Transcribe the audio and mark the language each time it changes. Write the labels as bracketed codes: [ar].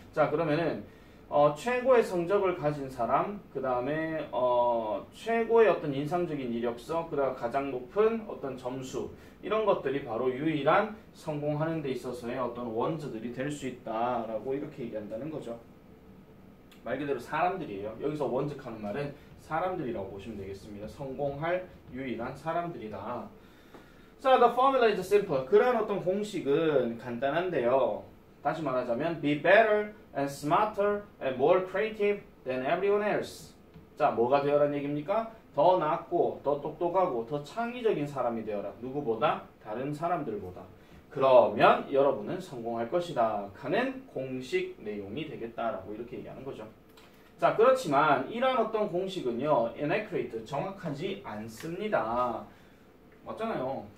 [ko] 자, 그러면은 최고의 성적을 가진 사람, 그 다음에 최고의 어떤 인상적인 이력서, 그 다음 가장 높은 어떤 점수, 이런 것들이 바로 유일한 성공하는 데 있어서의 어떤 원즈들이 될수 있다라고 이렇게 얘기한다는 거죠. 말 그대로 사람들이에요. 여기서 원즉 하는 말은 사람들이라고 보시면 되겠습니다. 성공할 유일한 사람들이다. 자, [en] the formula is simple. [ko] 그런 어떤 공식은 간단한데요. 다시 말하자면, [en] be better and smarter and more creative than everyone else. [ko] 자, 뭐가 되어라는 얘기입니까? 더 낫고, 더 똑똑하고, 더 창의적인 사람이 되어라. 누구보다? 다른 사람들보다. 그러면 여러분은 성공할 것이다. 하는 공식 내용이 되겠다라고 이렇게 얘기하는 거죠. 자, 그렇지만, 이러한 어떤 공식은요, [en] inaccurate, [ko] 정확하지 않습니다. 맞잖아요.